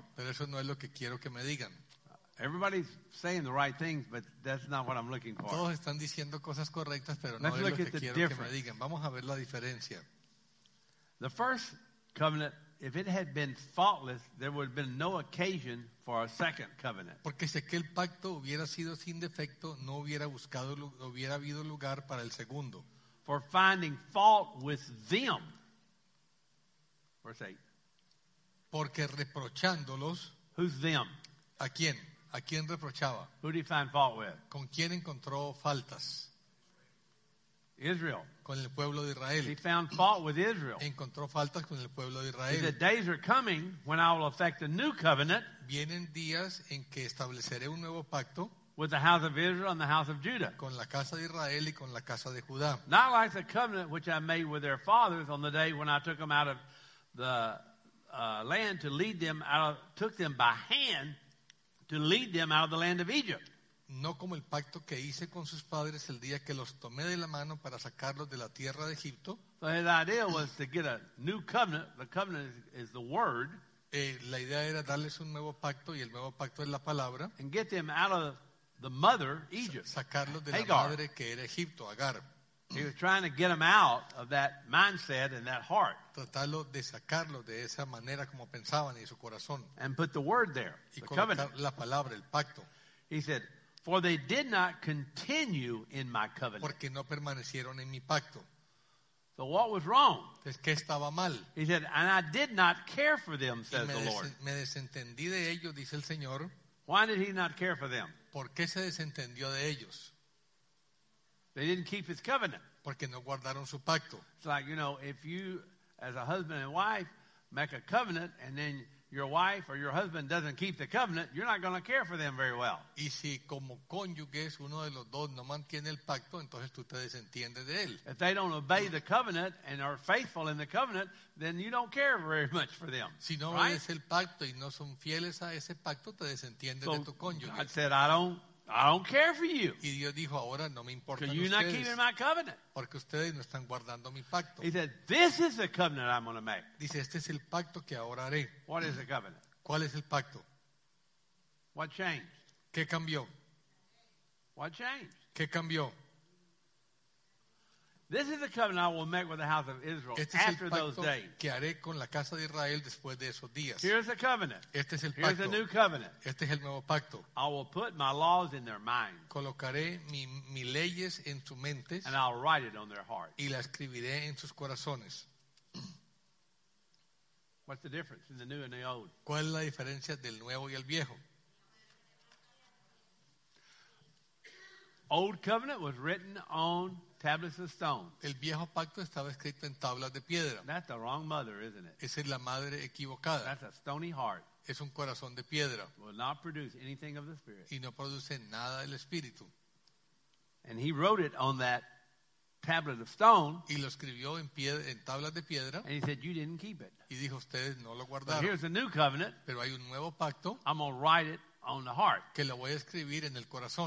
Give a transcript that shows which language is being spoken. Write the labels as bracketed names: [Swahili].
[Spanish] Pero eso no es lo que quiero que me digan. [English] Everybody's saying the right things, but that's not what I'm looking for. [Spanish] Todos están diciendo cosas correctas, pero no es lo que quiero que me digan. Vamos a ver la diferencia. [English] The first covenant, if it had been faultless, there would have been no occasion for a second covenant. [Spanish] Porque si aquel pacto hubiera sido sin defecto, no hubiera buscado, no hubiera habido lugar para el segundo. [English] For finding fault with them. Verse 8. [Spanish] Porque reprochándolos. [English] Who's them? [Spanish] ¿A quién? ¿A quién reprochaba? [English] Who did he find fault with? [Spanish] ¿Con quién encontró faltas? [English] Israel. [Spanish] Con el pueblo de Israel. [English] He found fault with Israel. [Spanish] Encontró faltas con el pueblo de Israel. [English] The days are coming when I will effect a new covenant. [Spanish] Vienen días en que estableceré un nuevo pacto. [English] With the house of Israel and the house of Judah. [Spanish] Con la casa de Israel y con la casa de Judá. [English] Not like the covenant which I made with their fathers on the day when I took them out of the land to lead them out of, took them by hand to lead them out of the land of Egypt. [Spanish] No como el pacto que hice con sus padres el día que los tomé de la mano para sacarlos de la tierra de Egipto. [English] So his idea was to get a new covenant. The covenant is the word. [Spanish] La idea era darles un nuevo pacto y el nuevo pacto es la palabra. [English] And get them out of the mother, Egypt. [Spanish] Sacarlos de Hagar. La madre que era Egipto, Agar. [English] He was trying to get them out of that mindset and that heart. [Spanish] Tratarlo de sacarlos de esa manera como pensaban y su corazón. [English] And put the word there. [Spanish] Y [English] the covenant. [Spanish] La palabra, el pacto. [English] He said, for they did not continue in my covenant. [Spanish] Porque no permanecieron en mi pacto. [English] So what was wrong? [Spanish] Es que estaba mal. [English] He said, and I did not care for them, says the Lord. [Spanish] Me desentendí de ellos, dice el Señor. [English] Why did he not care for them? [Spanish] ¿Por qué se desentendió de ellos? [English] They didn't keep his covenant. [Spanish] Porque no guardaron su pacto. [English] It's like, you know, if you, as a husband and wife, make a covenant and then your wife or your husband doesn't keep the covenant, you're not going to care for them very well. [Spanish] Y si como cónyuges uno de los dos no mantiene el pacto, entonces tú te desentiendes de él. [English] If they don't obey the covenant and are faithful in the covenant, then you don't care very much for them. [Spanish] Si no obedeces el pacto y no son fieles a ese pacto, te desentiendes de tu cónyuge. [English] God said, I don't care for you. [Spanish] Y Dios dijo, ahora no me importan ustedes. [English] You're not keeping my covenant. [Spanish] Porque ustedes no están guardando mi pacto. [English] He said, this is the covenant I'm going to make. [Spanish] Dice, este es el pacto que ahora haré. [English] What is the covenant? [Spanish] ¿Cuál es el pacto? [English] What changed? [Spanish] ¿Qué cambió? [English] What changed? [Spanish] ¿Qué cambió? [English] This is the covenant I will make with the house of Israel [Spanish] este es [English] after [Spanish] el pacto [English] those days. [Spanish] Que haré con la casa de Israel después de esos días. [English] Here's the covenant. [Spanish] Este es el [English] Here's [Spanish] pacto. [English] The new covenant. [Spanish] Este es el nuevo pacto. [English] I will put my laws in their minds. [Spanish] Colocaré mi leyes en sus mentes. [English] And I'll write it on their hearts. [Spanish] Y la escribiré en sus corazones. [English] What's the difference in the new and the old? [Spanish] ¿Cuál es la diferencia del nuevo y el viejo? [English] Old covenant was written on tablets of stone. [Spanish] El viejo pacto estaba escrito en tablas de piedra. [English] That's the wrong mother, isn't it? [Spanish] Esa es la madre equivocada. [English] That's a stony heart. [Spanish] Es un corazón de piedra. [English] Will not produce anything of the spirit. [Spanish] Y no produce nada del espíritu. [English] And he wrote it on that tablet of stone. [Spanish] Y lo escribió en piedra, en tablas de piedra. [English] And he said, "You didn't keep it." [Spanish] Y dijo, ustedes no lo guardaron. [English] But here's a new covenant. [Spanish] Pero hay un nuevo pacto. [English] I'm gonna write it on the heart. [Spanish] Que lo voy a escribir en el corazón.